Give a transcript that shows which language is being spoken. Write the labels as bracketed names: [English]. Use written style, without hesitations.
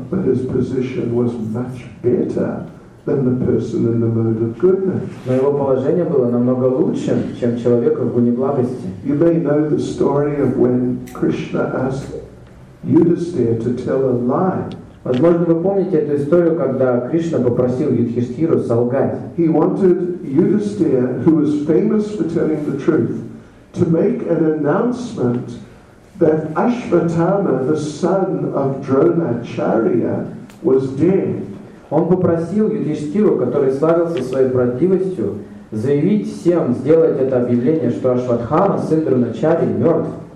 [English] But his position was much better than the person in the mode of goodness. [Russian] Но его положение было намного лучше, чем человека в гуне благости. [English] You may know the story of when Krishna asked Yudhisthira to tell a lie. [Russian] Возможно, вы помните эту историю, когда Кришна попросил Юдхиштхиру солгать. [English] He wanted Yudhisthira, who was famous for telling the truth, to make an announcement that Ashvatthama, the son of Dronacharya, was dead. [Russian] Он попросил Юдхиштхиру, который славился своей правдивостью, заявить всем, сделать это объявление, что Ашватхама, сын Дроначарьи, мертв.